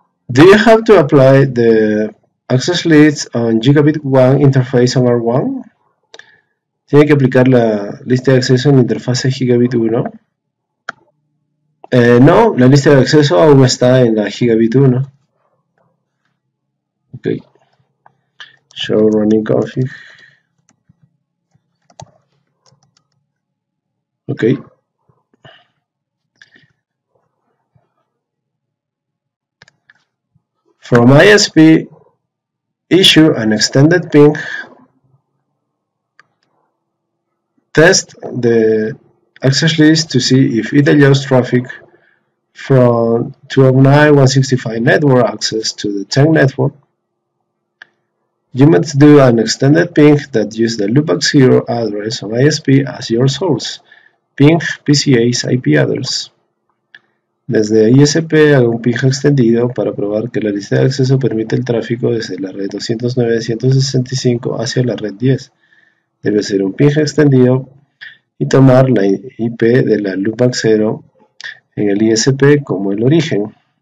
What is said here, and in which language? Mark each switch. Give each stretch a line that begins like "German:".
English: Do you have to apply the access list on Gigabit One interface on R1?
Spanish: ¿Tiene que aplicar la lista de acceso en la interfase Gigabit 1? No, la lista de acceso aún está en la Gigabit 1.
English: Ok. Show running config. Ok. From ISP, issue an extended ping. Test the access list to see if it allows traffic from 209.165 network access to the TANC network. You must do an extended ping that uses the loopback 0 address of ISP as your source. Ping PCA's IP address.
Spanish: Desde ISP hago un ping extendido para probar que la lista de acceso permite el tráfico desde la red 209.165 hacia la red 10. Debe ser un ping extendido y tomar la IP de la loopback 0 en el ISP como el origen.